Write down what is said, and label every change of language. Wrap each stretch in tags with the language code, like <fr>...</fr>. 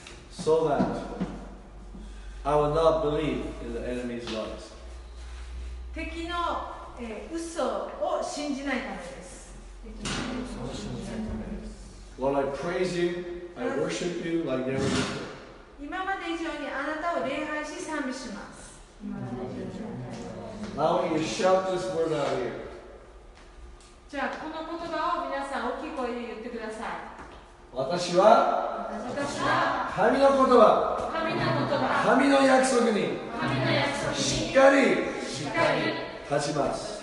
<en>So that I will not believe in the enemy's lies.</en> <ja>敵の、嘘を信じないためです。</ja> <en>Lord, I praise you, I worship you like never before.</en> <ja>今まで以上にあなたを礼拝し賛美します。</ja> <en>Now you shout this word out here.</en> <ja>じゃあこの言葉を皆さん大きい声で言ってください。私は神の言葉、神の約束にしっかり立ちます。</ja>